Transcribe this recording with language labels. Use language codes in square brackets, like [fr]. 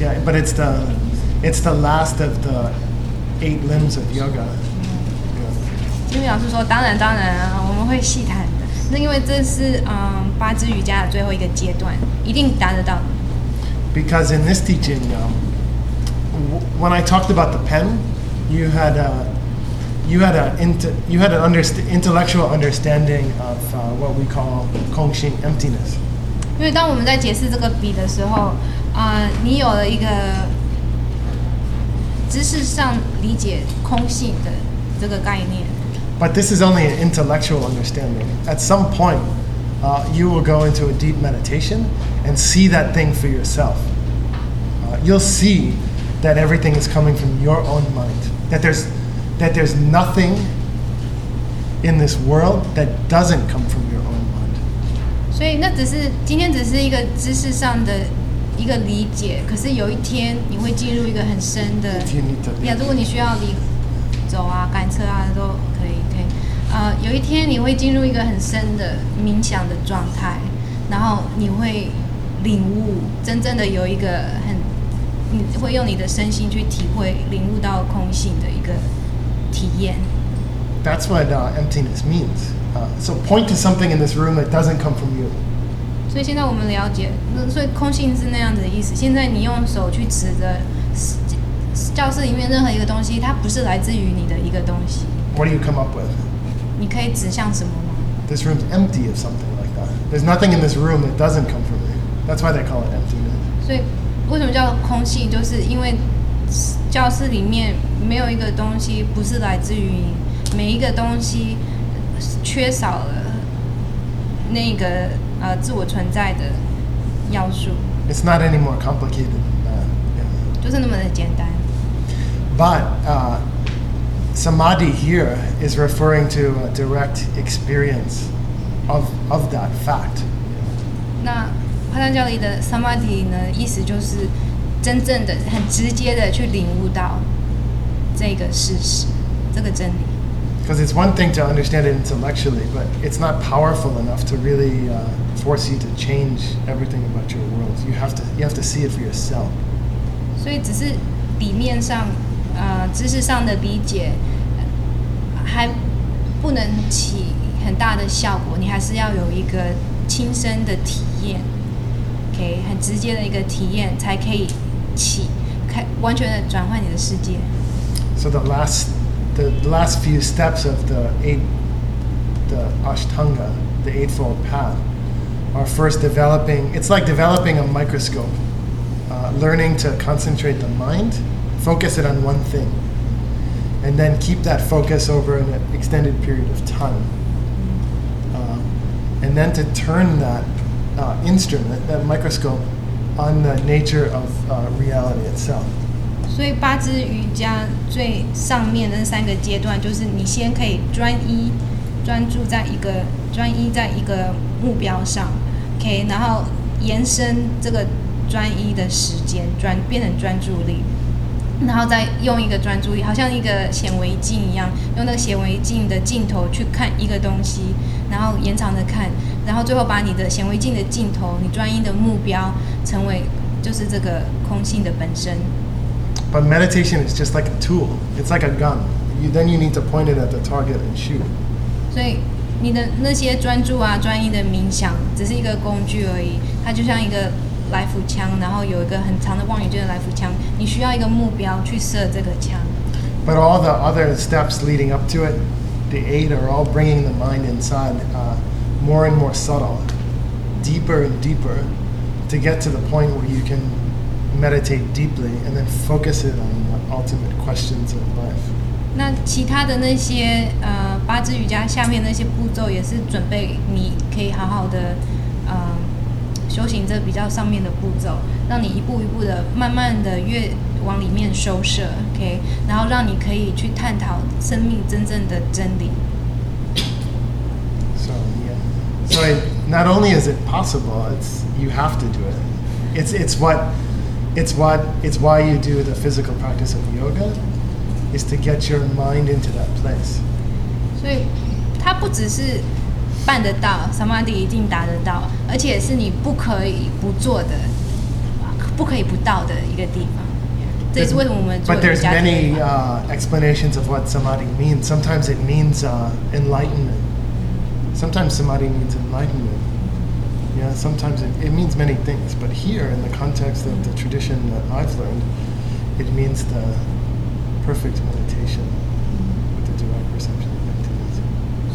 [en] Yeah, but it's the last of the eight limbs of yoga. [zh] 金明老师说，当然，我们会细谈的。那因为这是八支瑜伽的最后一个阶段，一定达得到。 [en] Because in this teaching, when I talked about the pen, you had an intellectual understanding of what we call kongxing emptiness. Because when we were explaining this pen, you had an [zh] 知识上理解空性的这个概念。 [en] But this is only an intellectual understanding. At some point, you will go into a deep meditation and see that thing for yourself. You'll see that everything is coming from your own mind. That there's nothing in this world that doesn't come from your own mind. [zh] 所以那只是今天只是一个知识上的一个理解，可是有一天你会进入一个很深的。如果你需要离走啊、赶车啊，都可以。对，有一天你会进入一个很深的冥想的状态，然后你会领悟，真正的有一个很，你会用你的身心去体会、领悟到空性的一个体验。 [en] That's what emptiness means. So point to something in this room that doesn't come from you. [zh] 所以现在我们了解，所以空性是那样子的意思。现在你用手去指着教室里面任何一个东西，它不是来自于你的一个东西。 [en] What do you come up with? [zh] 你可以指向什么吗？ [en] This room's empty of something like that. There's nothing in this room that doesn't come from me. That's why they call it emptiness. [zh] 所以为什么叫空性？就是因为教室里面没有一个东西不是来自于你，每一个东西缺少了那个。自我存在的要素。 [en] It's not any more complicated than that. Yeah. [zh] 就是那么的简单。 [en] But samadhi here is referring to a direct experience of that fact. [zh] 那帕坦加里的 samadhi 呢，意思就是真正的、很直接的去领悟到这个事实、这个真理。 [en] Because it's one thing to understand it intellectually, but it's not powerful enough to really force you to change everything about your world. You have to see it for yourself. [zh] 所以只是底面上，知识上的理解，还不能起很大的效果。你还是要有一个亲身的体验 ，OK， 很直接的一个体验，才可以起开完全的转换你的世界。 [en] So the last few steps of the Ashtanga, the Eightfold Path, are first developing, it's like developing a microscope, learning to concentrate the mind, focus it on one thing, and then keep that focus over an extended period of time. And then to turn that instrument, that microscope, on the nature of reality itself. [zh] 所以八支瑜伽最上面的那三个阶段，就是你先可以专一在一个目标上 ，OK， 然后延伸这个专一的时间，变成专注力，然后再用一个专注力，好像一个显微镜一样，用那个显微镜的镜头去看一个东西，然后延长的看，然后最后把你的显微镜的镜头，你专一的目标成为就是这个空性的本身。 [en] But meditation is just like a tool. It's like a gun. You need to point it at the target and shoot. [zh] 所以你的那些专注啊、专一的冥想，只是一个工具而已。它就像一个来福枪，然后有一个很长的望远镜的来福枪。你需要一个目标去射这个枪。 [en] But all the other steps leading up to it, the eight are all bringing the mind inside, more and more subtle, deeper and deeper, to get to the point where you can. Meditate deeply, and then focus it on the ultimate questions of life. [zh] 那其他的那些八支瑜伽下面那些步骤，也是准备你可以好好的修行这比较上面的步骤，让你一步一步的、慢慢的越往里面收摄 ，OK， 然后让你可以去探讨生命真正的真理。 [en] So yeah, so not only is it possible, it's you have to do it. It's why you do the physical practice of yoga, is to get your mind into that place. [zh] 所以，它不只是办得到 ，samadhi 一定达得到，而且是你不可以不做的，不可以不到的一个地方。这是为什么我们做瑜伽。 [en] But there's many explanations of what samadhi means. Sometimes it means enlightenment. Sometimes samadhi means enlightenment. Yeah, sometimes it means many things, but here, in the context of the tradition that I've learned, it means the perfect meditation with the direct perception of emptiness.